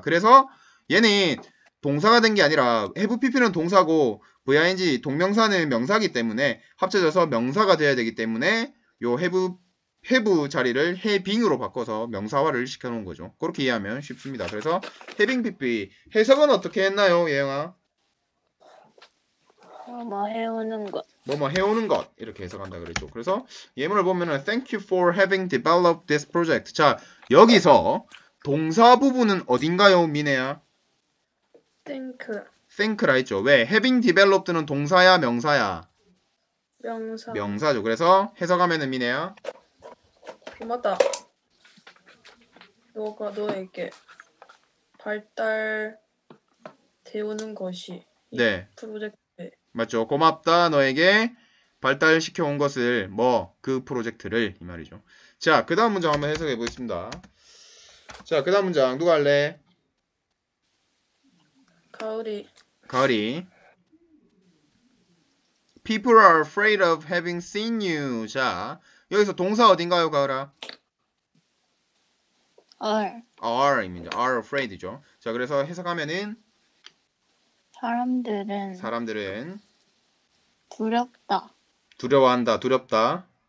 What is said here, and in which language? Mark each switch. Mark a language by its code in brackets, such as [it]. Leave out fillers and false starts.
[ko] 그래서 얘는 동사가 된게 아니라 have PP는 동사고 ving 동명사는 명사이기 때문에 합쳐져서 명사가 되어야 되기 때문에 요 have 자리를 having으로 바꿔서 명사화를 시켜놓은 거죠. 그렇게 이해하면 쉽습니다. 그래서 having PP 해석은 어떻게 했나요, 예영아? 뭐 해오는 것. 뭐뭐 해오는 것 이렇게 해석한다 그랬죠. 그래서 예문을 보면은 [en] Thank you for having developed this project. [ko] 자, 여기서 동사 부분은 어딘가요, 미네야? [en] Think. [ko] Think라 했죠. 왜? [en] Having developed [ko] 는 동사야, 명사야? 명사. 명사죠. 그래서 해석하면은 미네야? 맞다. 너가 너에게 발달 되우는 것이 이 네. 프로젝트. 맞죠. 고맙다. 너에게 발달시켜 온 것을, 뭐, 그 프로젝트를, 이 말이죠. 자, 그 다음 문장 한번 해석해 보겠습니다. 자, 그 다음 문장, 누가 할래? 가을이. 가을이. [en] People are afraid of having seen you. [ko] 자, 여기서 동사 어딘가요, 가을아? are입니다. [en] are afraid [ko] 죠. 자, 그래서 해석하면은, 사람들은 사람들은 두렵다. 두려워한다, 두렵다.